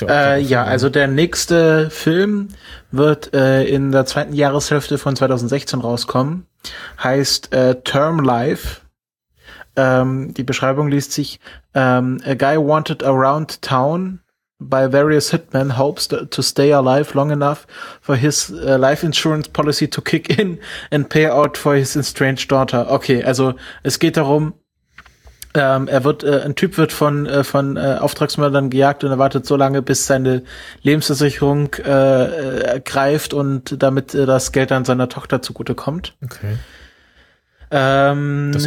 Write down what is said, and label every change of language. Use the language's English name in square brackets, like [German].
[German] ja auch ja, also der nächste Film wird in der zweiten Jahreshälfte von 2016 rauskommen. Heißt Term Life. Die Beschreibung liest sich [English] A guy wanted around town by various hitmen hopes to stay alive long enough for his life insurance policy to kick in and pay out for his estranged daughter. [German] Okay, also es geht darum, ein Typ wird von Auftragsmördern gejagt und er wartet so lange, bis seine Lebensversicherung greift und damit das Geld dann seiner Tochter zugute kommt. Okay. Das